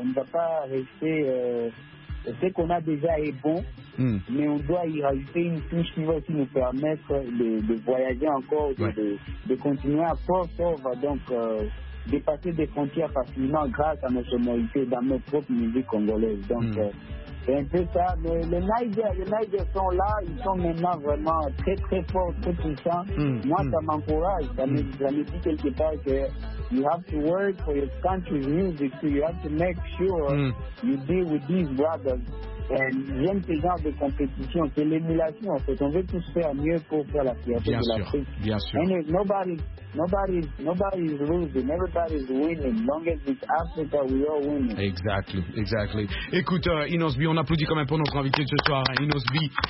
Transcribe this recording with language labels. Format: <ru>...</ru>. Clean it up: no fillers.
<fr>On ne va pas rester. Ce qu'on a déjà est bon, mais on doit y rajouter une touche qui va aussi nous permettre de voyager encore, de continuer à fort, donc dépasser des frontières facilement grâce à nos sonorités dans nos propres musiques congolaises. Donc, c'est un peu ça. Mais les Niger sont là, ils sont maintenant vraiment très, très forts, très puissants. Moi, ça m'encourage. Ça me dit quelque part que</fr> <en>you have to work for your country's music, so you have to make sure you deal with these brothers.</en> <fr>Et j'aime ce genre de compétition, c'est l'émulation en fait. On veut tous faire mieux pour faire la fierté de l'Afrique. Bien sûr.</fr> <en>And nobody is losing, everybody is winning. Long as it's Africa, we are winning. Exactly, exactly.</en> <fr>Écoute, Inosby, on applaudit quand même pour notre invité de ce soir, Inosby.</fr>